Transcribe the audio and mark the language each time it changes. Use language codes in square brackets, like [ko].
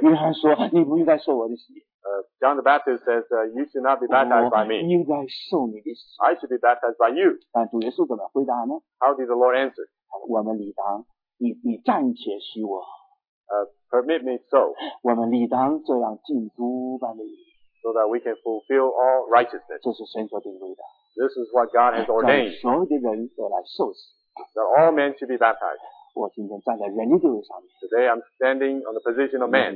[zh] 约翰说，你不应该受我的洗。 [en] John the Baptist says, you should not be baptized by me. [zh] 我应该受你的洗。 [en] I should be baptized by you. [zh] 但主耶稣怎么回答呢？ [en] How did the Lord answer? [zh] 我们理当，你暂且许我。 [en] Permit me so. [zh] 我们理当这样进主般的义。 [en] So that we can fulfill all righteousness. [zh] 这是神所定规的。 [en] This is what God has ordained. [zh] 让所有的人都来受洗。 [en] That all men should be baptized. [zh] 我今天站在人的地位上面。 [en] Today I'm standing on the position of man.